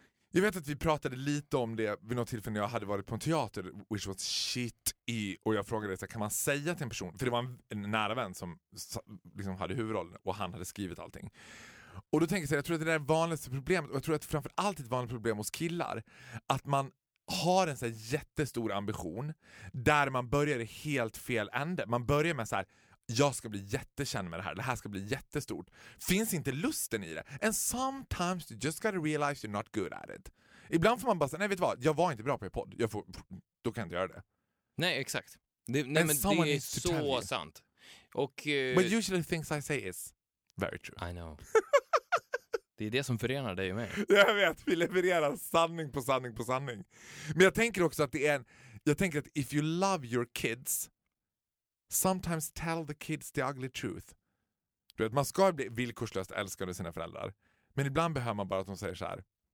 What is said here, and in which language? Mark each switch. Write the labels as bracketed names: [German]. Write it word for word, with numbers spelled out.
[Swedish] Jag vet att vi pratade lite om det vid något tillfälle när jag hade varit på en teater, [English] which was shit [Swedish] i, och jag frågade så här, kan man säga till en person, för det var en, en nära vän som liksom hade huvudrollen och han hade skrivit allting. Och då tänker jag så här, jag tror att det där är det vanligaste problemet, och jag tror att framförallt ett vanligt problem hos killar, att man har en så här jättestor ambition där man börjar i helt fel ände. Man börjar med så här, jag ska bli jättekänd med det här. Det här ska bli jättestort. Finns inte lusten i det. [English] And sometimes you just gotta realize you're not good at it. [Swedish] Ibland får man bara säga, nej vet du vad, jag var inte bra på er podd. Jag får, då kan jag inte göra det. Nej, exakt. Det, nej, men det är så sant. Och, uh, [English] but usually things I say is very true. I know. [Swedish] Det är det som förenar dig och mig. Jag vet, vi levererar sanning på sanning på sanning. Men jag tänker också att det är en... Jag tänker att [English] if you love your kids... Sometimes tell the kids the ugly truth. [Swedish] Du vet, man ska bli villkorslöst älskad av sina föräldrar. Men ibland behöver man bara att de säger så här.